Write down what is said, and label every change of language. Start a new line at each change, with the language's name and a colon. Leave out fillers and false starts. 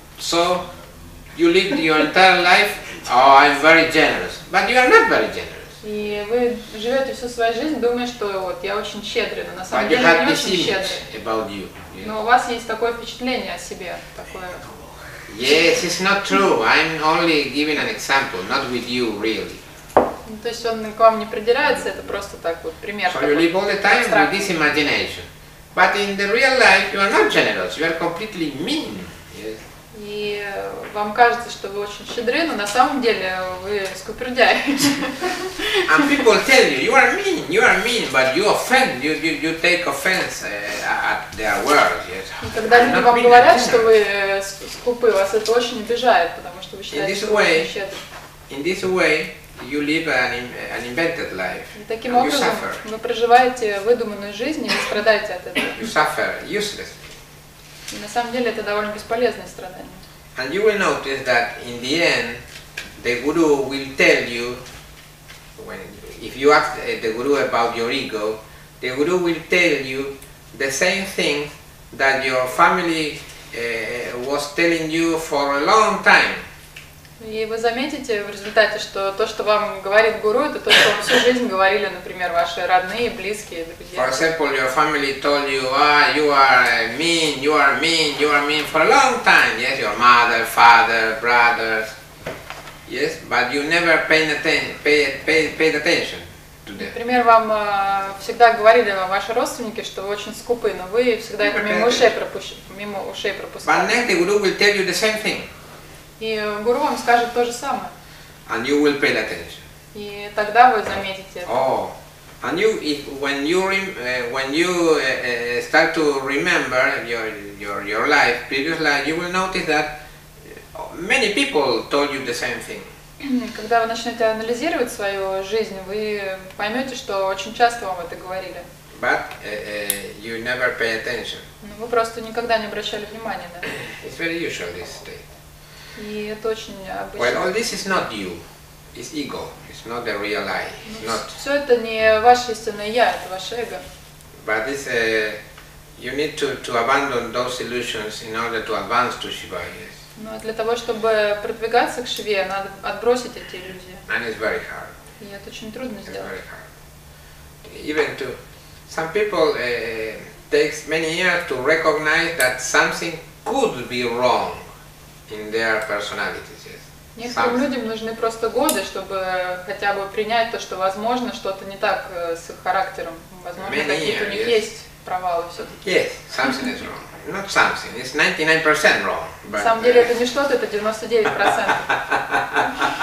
English: So you live your entire life, oh, I'm very generous, but you are not very generous.
Russian: И вы живете всю свою жизнь, думая, что вот я очень щедрый, но на самом деле не очень щедрый.
English: About you.
Russian: Но у вас есть такое впечатление о себе, такое.
English: Yes, it's not true. I'm only giving an example, not with you, really.
Russian: То есть он к вам не придирается, это просто так вот пример.
English: So you live all the time with this imagination, but in the real life you are not generous. You are completely mean. Yes.
Russian: И вам кажется, что вы очень щедры, но на самом деле вы скупердяй.
English: And people tell you, you are mean, but you offend, you take offense at their words. Yes.
Russian: Когда люди вам говорят, что вы скупы, вас это очень обижает, потому что вы считаете, что вы очень щедры.
English: In this way, you live an invented life.
Russian: И таким образом вы проживаете выдуманную жизнь и вы страдаете от этого.
English: You suffer useless.
Russian: И на самом деле это довольно бесполезное страдание.
English: And you will notice that in the end, the guru will tell you, when if you ask the guru about your ego, the guru will tell you the same thing that your family was telling you for a long time.
Russian: И вы заметите в результате, что то, что вам говорит гуру, это то, что вам всю жизнь говорили, например, ваши родные, близкие, друзья.
English: For example, your family told you, ah, you are mean, you are mean, you are mean for a long time. Yes, your mother, father, brothers. Yes, but you never paid attention to them.
Russian: Например, вам всегда говорили ваши родственники, что вы очень скупы, но вы всегда это мимо ушей пропускали.
English: But next, the guru will tell you the same thing.
Russian: И гуру вам скажет то же самое.
English: And you will pay attention.
Russian: И тогда вы заметите это.
English: Oh, and you, if when you start to remember your life, previous life, you will notice that many people told you the same thing.
Russian: Когда вы начнете анализировать свою жизнь, вы поймете, что очень часто вам это говорили.
English: But you never pay attention.
Russian: Но вы просто никогда не обращали внимания на это.
English: It's very usual this state.
Russian: И это очень обычно.
English: Well, all this is not you. It's ego. It's not the real I. It's not.
Russian: Все это не ваше истинное я, это ваше эго.
English: But this, you need to abandon those illusions in order to advance to Shiva. Yes.
Russian: Но для того, чтобы продвигаться к Шиве, надо отбросить эти иллюзии.
English: And it's very hard.
Russian: И это очень трудно
English: it's
Russian: сделать.
English: It's very hard. Even to some people takes many years to recognize that something could be wrong. In their personalities, yes.
Russian: Некоторым людям нужны просто годы, чтобы хотя бы принять то, что возможно что-то не так с их характером. Возможно, какие-то у них есть провалы все-таки.
English: Yes, something is wrong. Not something, it's 99% wrong.
Russian: На самом деле это не что-то, это 99%.